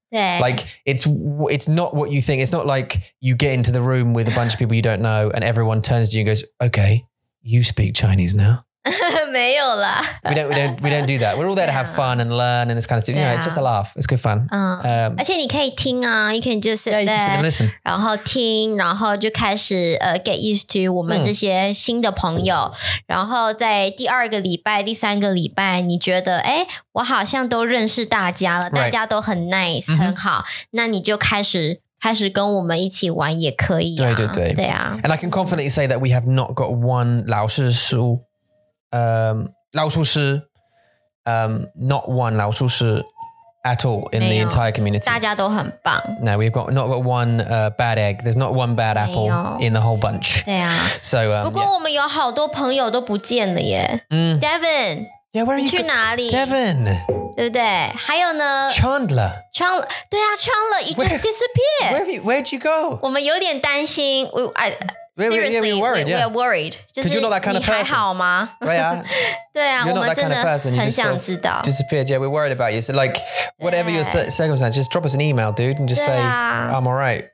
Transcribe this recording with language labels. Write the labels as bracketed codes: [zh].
[en] Like it's not what you think. It's not like you get into the room with a bunch of people you don't know and everyone turns to you and goes, okay, you speak Chinese now. [zh] 没有啦. [en] We don't do that. We're all there to have fun and learn and this kind of stuff. Yeah, it's just a laugh. It's good fun. [zh] 而且你可以听啊, [en] you can just sit there. Yeah, you can sit and listen. [zh] 然后听, 然后就开始, [en] get used to [zh] 我们这些新的朋友, 然后在第二个礼拜, 第三个礼拜, 你觉得, 诶, 我好像都认识大家了, 大家都很nice, 很好, 那你就开始, 开始跟我们一起玩也可以啊, 对对对, 对啊。 [en] And I can confidently say that we have not got one [zh] 老师书, 老鼠师, [en] not one [zh] 老鼠师 [en] at all in [zh] 没有, [en] the entire community. [zh] 大家都很棒. [en] No, we've got not got one bad egg. There's not one bad apple [zh] 没有. [en] In the whole bunch. [zh] 对啊. [en] So, [zh] 不过我们有好多朋友都不见了耶. Devin! [en] Yeah, where are you? [zh] Devin! 对不对？还有呢，Chandler， [en] Chandler， [zh] 对啊 [en] ，Chandler， it just disappeared. Where did you go? [zh] 我们有点担心。 [en] We're worried. Because you're not that kind of person. [zh] 你还好吗？对啊，对啊，我们真的很想知道。 [en] Disappeared. Yeah, we're worried about you. So like, whatever your circumstance, just drop us an email, dude, and just say I'm all right.